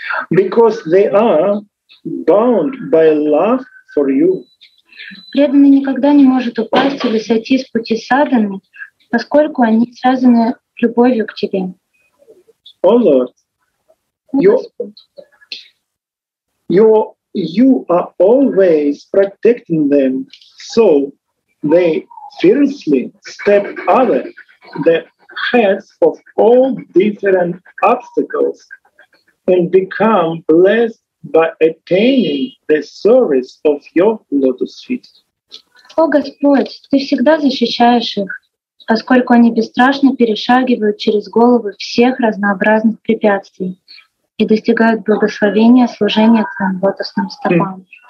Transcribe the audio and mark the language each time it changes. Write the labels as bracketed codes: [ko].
[en] Because they are bound by love for you. [ru] Преданный никогда не может упасть или сойти с пути садханы, поскольку они связаны любовью к тебе. [en] О, Lord, you are always protecting them, so they fiercely step over the heads of all different obstacles and become blessed by attaining the service of your lotus feet. [ru] О, Господь, ты всегда защищаешь их, поскольку они бесстрашно перешагивают через головы всех разнообразных препятствий и достигают благословения служения твоим лотосным стопам.